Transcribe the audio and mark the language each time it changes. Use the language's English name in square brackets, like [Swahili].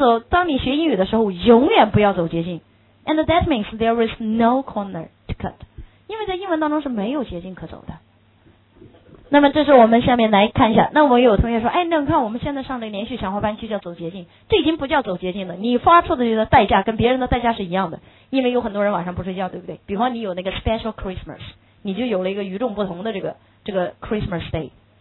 [Chinese] 当你学英语的时候永远不要走捷径。 [English] And that means there is no corner to cut， [Chinese] 因为在英文当中是没有捷径可走的。那么这是我们下面来看一下。那我有同学说，哎，那你看我们现在上的连续强化班就叫走捷径，这已经不叫走捷径了，你发出的这个代价跟别人的代价是一样的，因为有很多人晚上不睡觉，对不对？比方你有那个 [English] special Christmas， [Chinese] 你就有了一个与众不同的这个 Christmas day。